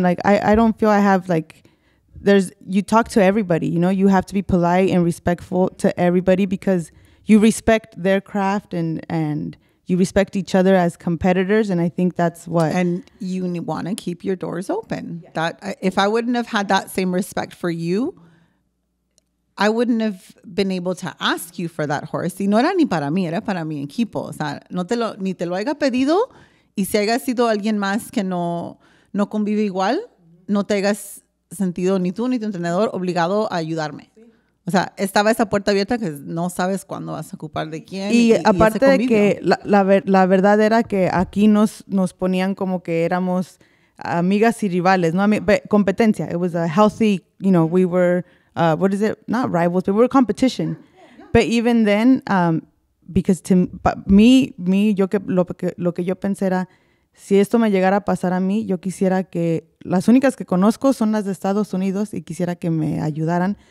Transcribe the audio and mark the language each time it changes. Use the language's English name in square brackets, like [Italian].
[English] Like, I don't feel I have, like, you talk to everybody, you know, you have to be polite and respectful to everybody because you respect their craft and you respect each other as competitors. And I think that's what. And you want to keep your doors open. Yeah. That if I wouldn't have had that same respect for you, I wouldn't have been able to ask you for that horse. [Spanish] Y no era ni para mí, era para mi equipo. O sea, ni te lo haya pedido. Y si haya sido alguien más que no convive igual, no te hayas sentido ni tú ni tu entrenador obligado a ayudarme. O sea, estaba esa puerta abierta que no sabes cuándo vas a ocupar de quién. Y aparte de que la verdad era que aquí nos ponían como que éramos amigas y rivales, ¿no? Competencia. [English] It was a healthy, you know, we were... what is it? Not rivals, but we're competition. Yeah, yeah. But even then, because to me, [Spanish] yo que lo que yo pensé era, si esto me llegara a pasar a mí, yo quisiera que las únicas que conozco son las de Estados Unidos y quisiera que me ayudaran.